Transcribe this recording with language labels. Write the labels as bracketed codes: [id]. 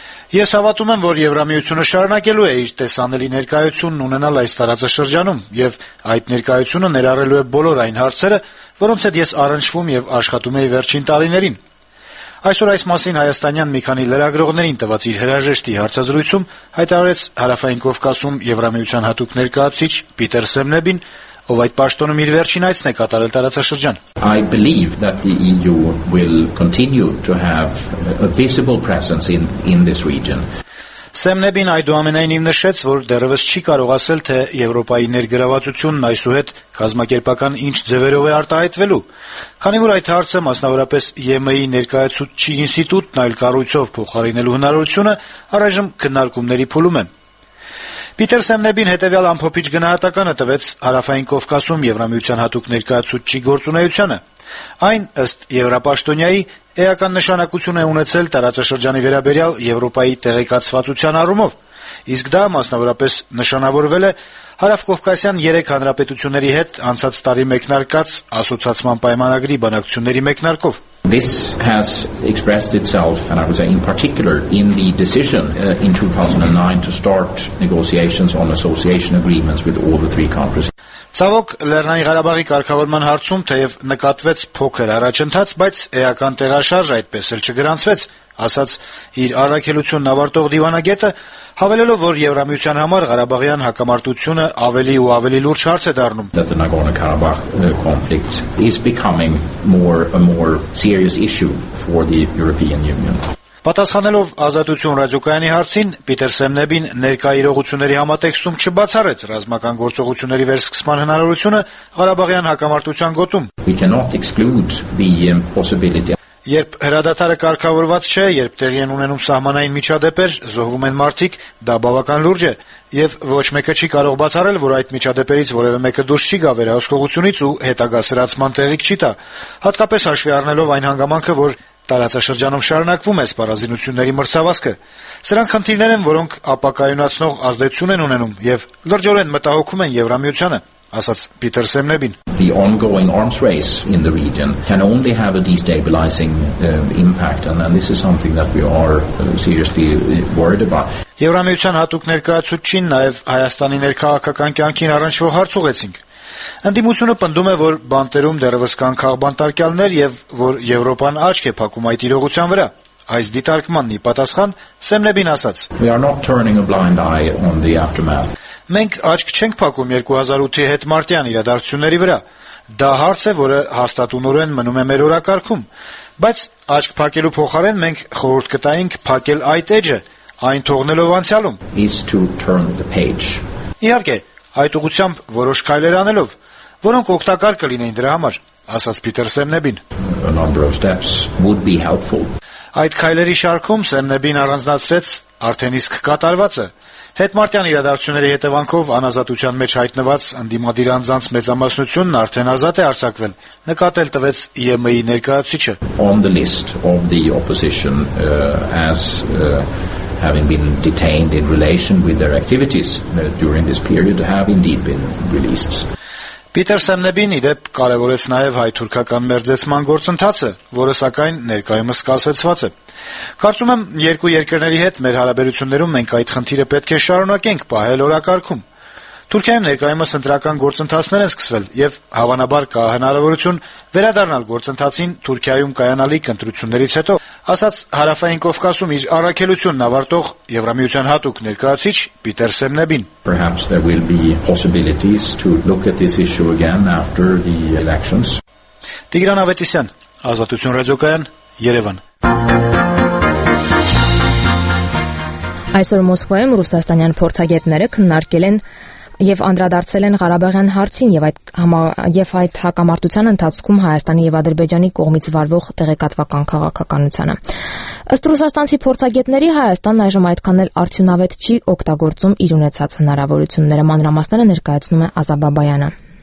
[hy] Ես հավատում եմ, որ Եվրամիությունը շարունակելու է իր տեսանելի ներկայությունն ունենալ այս տարածաշրջանում, և այդ ներկայությունը ներառելու է բոլոր այն հարցերը, որոնց հետ ես առնչվում և աշխատում էի վերջին տարիներին։ Այսօր այս մասին հայաստանյան մի քանի լրագրողներին տված իր հրաժեշտի հարցազրույցում հայտարարեց Հարավային Կովկասում Եվրամիության հատուկ ներկայացուցիչ Պիտեր Սեմնեբին, ով այդ պաշտոնում իր վերջին այցն է կատարել տարածաշրջան։ [en] I believe that the EU will continue to have a visible presence in this region. [hy] Սեմնեբին այդուամենայնիվ նշեց, որ դեռևս չի կարող ասել, թե Եվրոպայի ներգրավվածությունն այսուհետ կազմակերպական ինչ ձևերով է արտահայտվելու, քանի որ այդ հարցը մասնավորապես ԵՄ-ի ներկայացուցիչ ինստիտուտն այլ կառույցով փոխարինելու հնարավորությունը առայժմ քննարկումների փուլում է։ Պիտեր Սեմնեբին հետևյալ ամփոփիչ գնահատականը տվեց Հարավային Կովկասում Եվրամիության հատուկ ներկայացուցիչի գործունեությանը։ Այն, ըստ Եվրապաշտոնիայի, էական նշանակություն է ունեցել տարածաշրջանի վերաբերյալ Եվրոպայի տեղեկացվածության առումով։ իսկ դա մասնավորապես նշանավորվել է Հարավկովկասյան 3 հանրապետությունների հետ անցած տարի մեկնարկած ասոցիացիոն պայմանագրի բանակցությունների մեկնարկով։ [en] This has expressed itself, and I would say in particular, in the decision in 2009 to start negotiations on association agreements with all the three countries. [hy] Ցավոք, Լեռնային Ղարաբաղի կառավարման հարցում թեև նկատվեց փոքր առաջընթաց, բայց էական տեղաշարժ այդպես էլ չգրանցվեց, ասաց իր առաքելությունն ավարտող դիվանագետը, հավելելով, որ Եվրամիության համար Ղարաբաղյան հակամարտությունը ավելի ու ավելի լուրջ հարց է դառնում. [en] The Nagorno-Karabakh conflict is becoming a more serious issue for the European Union. [hy] Պատասխանելով Ազատություն ռադիոկայանի հարցին, Պիտեր Սեմնեբին ներկայիրողությունների համատեքստում չբացառեց ռազմական գործողությունների վերսկսման հնարավորությունը Ղարաբաղյան հակամարտության գոտում։ [en] We cannot exclude the possibility. [hy] Երբ հրադադարը կարգավորված չէ, երբ տեղի են ունենում սահմանային միջադեպեր, զոհվում են մարդիկ, դա բավական լուրջ է, եւ ոչ մեկը չի կարող բացառել, որ այդ միջադեպերից որևէ մեկը դուրս չի գա վերահսկողությունից ու հետագա սրացման տեղիք չի տա, հատկապես հաշվի առնելով այն հանգամանքը, որ տարածաշրջանում շարունակվում է սպառազինությունների մրցավազքը։ Սրանք խնդիրներ են, որոնք ապակայունացնող ազդեցություն են ունենում եւ լրջորեն մտահոգում են Եվրամիությանը, ասաց Պիտեր Սեմնեբին։ [en] The ongoing arms race in the region can only have a destabilizing impact, and this is something that we are seriously worried about. [hy] Եվրամիության հատուկ ներկայացուցչին նաեւ Հայաստանի ներքաղաքական կյանքին առնչվող հարց ուղեցինք։ Ընդդիմությունը պնդում է, որ բանտերում դեռևս կան քաղբանտարկյալներ եւ որ Եվրոպան աչք է փակում այդ իրողության վրա։ Այս դիտարկմանն ի պատասխան Սեմնեբին ասաց. [en] We are not turning a blind eye on the aftermath. [hy] Մենք աչք չենք փակում 2008-ի հետմարտյան իրադարձությունների վրա։ Դա հարց է, որը հաստատ ունորեն մնում է մեր օրակարգում, բայց աչք փակելու փոխարեն մենք խորհուրդ կտայինք փակել այդ էջը, այն թողնելով անցյալում։ [en] Is to turn the page. [hy] Իհարկե, այդ ուղությամբ որոշ քայլեր անելով, որոնք օգտակար կլինեին դրա համար, ասաց Պիտեր Սեմնեբին։ [en] A number of steps would be helpful. [hy] Այդ քայլերի շարքում Սեմնեբին առանձնացրեց արդեն իսկ կատարվածը, հետմարտյան իրադարձությունների հետևանքով անազատության մեջ հայտնված անդիմադիր անձանց մեծամասնությունն արդեն ազատ է արձակվել, նկատել տվեց ԵՄ-ի ներկայացիչը։ [en] On the list of the opposition as having been detained in relation with their activities during this period have indeed been released. [hy] Պիտեր Սեմնեբին ի դեպ կարևորեց նաև հայ-թուրքական մերձեցման գործընթացը, որը սակայն ներկայումս սկսեցված է։ Կարծում եմ երկու երկրների հետ մեր հարաբերություններում մենք այդ խնդիրը պետք է շարունակենք պահել օրակարգում։ Թուրքիայում ներկայումս ընտրական գործընթացներ են սկսվել եւ հավանաբար կա հնարավորություն վերադառնալ գործընթացին Թուրքիայում կայանալիք ընտրություններից հետո, ասաց Հարավային Կովկասում իր առաքելությունն ավարտող Եվրամիության հատուկ ներկայացիչ Պիտեր Սեմնեբին։ [en] Perhaps there will be possibilities to look at this issue again after the elections. [hy] Տիգրան Ավետիսյան, Ազատություն ռադիոկայան, Երևան։ Այսօր Մոսկվայում ռուսաստանյան փորձագետները քննարկել են և անդրադարձել են Ղարաբաղյան հարցին եւ այդ հակամարտության ընթացքում Հայաստանի եւ Ադրբեջանի կողմից վարվող տեղեկատվական քաղաքականությունը։ Ըստ ռուսաստանցի փորձագետների, Հայաստանն այժմ այդքան էլ արդյունավետ չի օգտագործում իր ունեցած հնարավորությունները, մանրամասները ներկայացնում է Ազաբաբայանը։